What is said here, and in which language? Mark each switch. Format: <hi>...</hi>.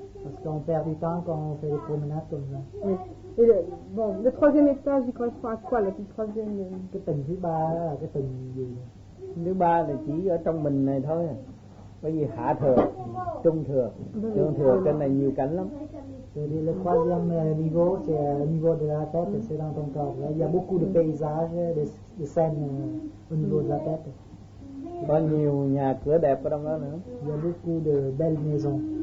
<fr>Parce qu'on perd du temps quand on fait des promenades comme ça. Oui. Et le troisième étage, il correspond à quoi, le troisième?</fr> <vi>Cái tầng thứ ba là cái tầng gì? Thứ ba là chỉ ở trong mình này thôi. Bởi vì hạ thừa, trung thừa, thượng thừa, trên này nhiều cảnh lắm.</vi> <fr>Thì le troisième niveau, c'est le niveau de la tête, c'est dans ton corps. Il y a beaucoup de paysages, de scènes au niveau de la tête.</fr> <vi>Có nhiều nhà cửa đẹp ở trong đó nữa.</vi> <fr>Il y a beaucoup de belles maisons.</fr>